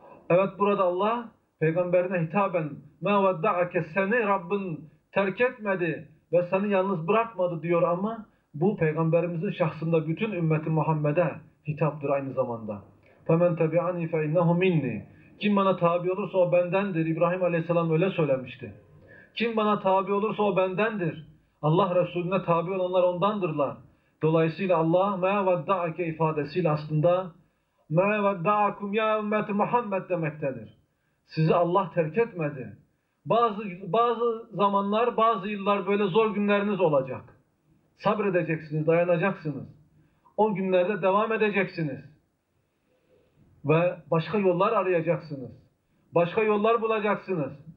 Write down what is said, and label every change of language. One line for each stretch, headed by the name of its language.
Turkish: Evet, burada Allah peygamberine hitaben
Arabic: مَا وَدَّعَكَ,
Turkish: seni Rabbin terk etmedi ve seni yalnız bırakmadı diyor, ama bu peygamberimizin şahsında bütün ümmeti Muhammed'e hitaptır aynı zamanda.
Arabic: فَمَنْ تَبِعَنِي فَاِنَّهُ مِنِّي.
Turkish: Kim bana tabi olursa o bendendir. İbrahim Aleyhisselam öyle söylemişti. Kim bana tabi olursa o bendendir. Allah Resulüne tabi olanlar ondandırlar. Dolayısıyla Allah
Arabic: مَا وَدَّعَكَ
Turkish: ifadesiyle aslında
Arabic: مَا وَدَّعَكُمْ يَا اُمَّتِ مُحَمَّدْ
Turkish: demektedir. Sizi Allah terk etmedi. Bazı zamanlar, bazı yıllar böyle zor günleriniz olacak. Sabredeceksiniz, dayanacaksınız. O günlerde devam edeceksiniz. Ve başka yollar arayacaksınız. Başka yollar bulacaksınız.